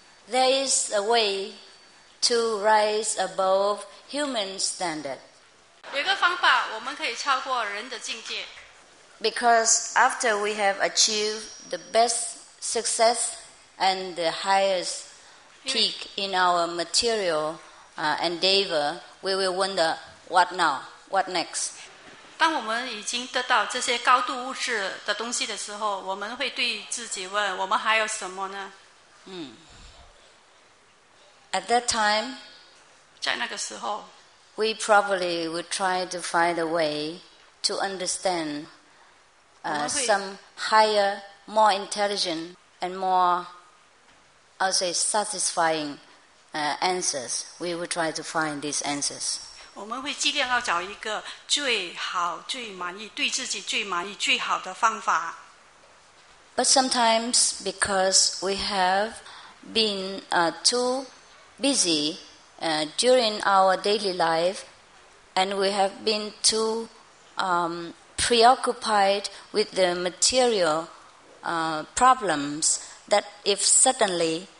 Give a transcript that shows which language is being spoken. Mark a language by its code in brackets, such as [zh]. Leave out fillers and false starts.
[en] there is a way to rise above human standard [zh] 有一个方法我们可以超过人的境界 [en] because after we have achieved the best success and the highest peak in our materialendeavor, we will wonder what now, what next. [zh] 当我们已经得到这些高度物质的东西的时候，我们会对自己问：我们还有什么呢？ [en] At that time, [zh] 在那个时候， [en] we probably would try to find a way to understand some higher, more intelligent, and more, I'll say, satisfying. Answers. We will try to find these answers. [zh] 我们会尽量要找一个最好、最满意、对自己最满意、最好的方法。 [en] But sometimes, because we have been too busy during our daily life, and we have been too preoccupied with the material problems, that if suddenly.